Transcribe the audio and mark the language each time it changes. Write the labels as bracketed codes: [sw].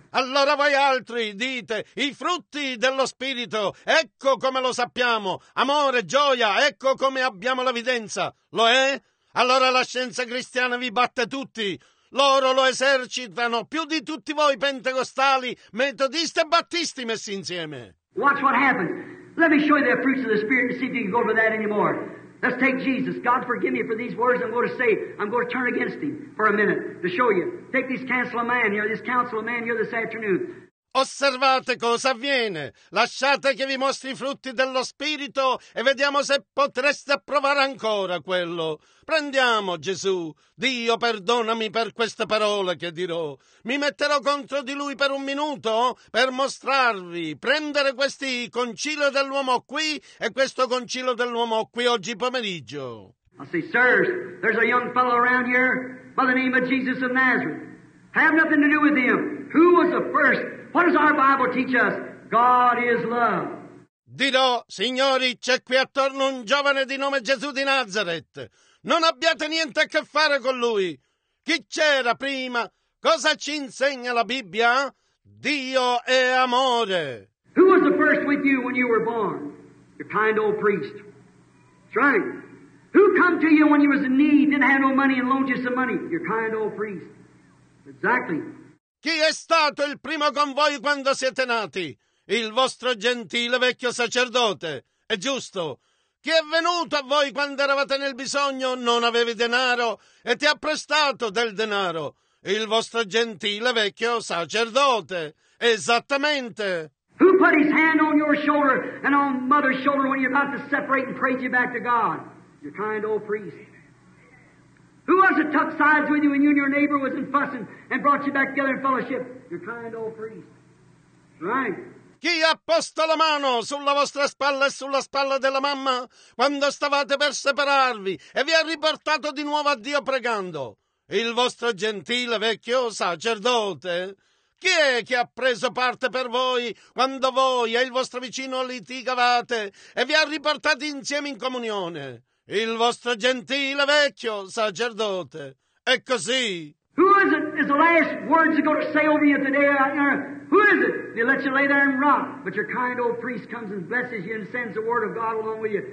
[it] Allora voi altri dite, i frutti dello Spirito, ecco come lo sappiamo, amore, gioia, ecco come abbiamo l'evidenza, lo è? Allora la scienza cristiana vi batte tutti, loro lo esercitano, più di tutti voi pentecostali, metodisti e battisti messi insieme. [en] Watch what happens, let me show you the fruits of the Spirit and see if you can go over that anymore. Let's take Jesus. God forgive me for these words I'm going to say. I'm going to turn against him for a minute to show you. Take this counsel of man here, this counsel of man here this afternoon. [it] Osservate cosa avviene. Lasciate che vi mostri i frutti dello Spirito e vediamo se potreste approvare ancora quello. Prendiamo Gesù. Dio perdonami per queste parole che dirò. Mi metterò contro di lui per un minuto per mostrarvi. Prendere questi concilio dell'uomo qui e questo concilio dell'uomo qui oggi pomeriggio. [en] I say, sirs, there's a young fellow around here by the name of Jesus of Nazareth. Have nothing to do with him. Who was the first? What does our Bible teach us? God is love. [it] Dirò, signori, c'è qui attorno un giovane di nome Gesù di Nazareth. Non abbiate niente a che fare con lui. Chi c'era prima? Cosa ci insegna la Bibbia? Dio è amore. [en] Who was the first with you when you were born? Your kind old priest. That's right. Who come to you when you was in need, didn't have no money and loaned you some money? Your kind old priest. Exactly. [it] Chi è stato il primo con voi quando siete nati? Il vostro gentile vecchio sacerdote. È giusto. Chi è venuto a voi quando eravate nel bisogno, non avevi denaro e ti ha prestato del denaro? Il vostro gentile vecchio sacerdote. Esattamente. [en] Who put his hand on your shoulder and on mother's shoulder when you're about to separate and praise you back to God? Your kind old priest. Who was it tuck sides with you when you and your neighbor was in fussing and brought you back together in fellowship? Your kind old priest. Right. [it] Chi ha posto la mano sulla vostra spalla e sulla spalla della mamma quando stavate per separarvi e vi ha riportato di nuovo a Dio pregando? Il vostro gentile vecchio sacerdote. Chi è che ha preso parte per voi quando voi e il vostro vicino litigavate e vi ha riportati insieme in comunione? Il vostro gentile vecchio sacerdote. È così. [en] Who is it? Is the last words you're going to say over you today? Who is it? They let you lay there and rot, but your kind old priest comes and blesses you and sends the word of God along with you.